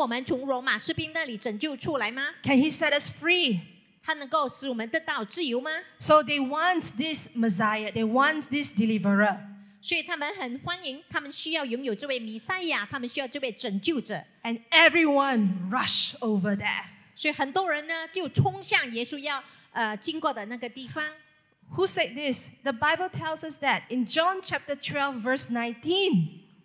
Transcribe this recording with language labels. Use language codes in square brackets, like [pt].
[zh] 甚至有些说他能够帮我们从罗马士兵那里拯救出来吗？ [en] Can he set us free? [zh] 他能够使我们得到自由吗？ [en] So they want this Messiah, they want this deliverer. [zh] 所以他们很欢迎，他们需要拥有这位弥赛亚，他们需要这位拯救者。 [en] And everyone rush over there. [zh] 所以很多人呢，就冲向耶稣要经过的那个地方。 [en] Who said this? The Bible tells us that in John chapter 12, verse 19.